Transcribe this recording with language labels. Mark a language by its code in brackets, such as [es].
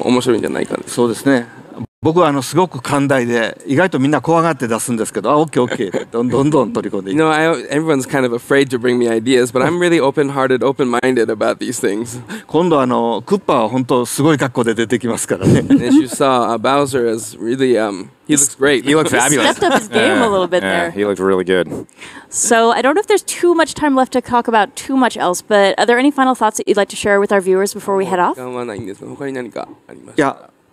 [ja] 新しい人たちの提案。そうですね。で、それを今までやってきた箱庭に、またそういうアイデアを持って戻ってくるのも面白いんじゃないかと。そうですね。僕は、すごく寛大で、意外とみんな怖がって出すんですけど、あ、OK、OK、どんどん取り込んでいく。 [en] No, everyone's kind of afraid to bring me ideas, but I'm really open-hearted, open-minded about these things. [ja] 今度、クッパは本当すごい格好で出てきますからね。 [en] As you saw, Bowser is really, he looks great. He looks fabulous. He stepped up his game a little bit there. Yeah, he looked really good. So, I don't know if there's too much time left to talk about too much else, but are there any final thoughts that you'd like to share with our viewers before we head off? [ja] 時間はないんですが、他に何かありますか？いや。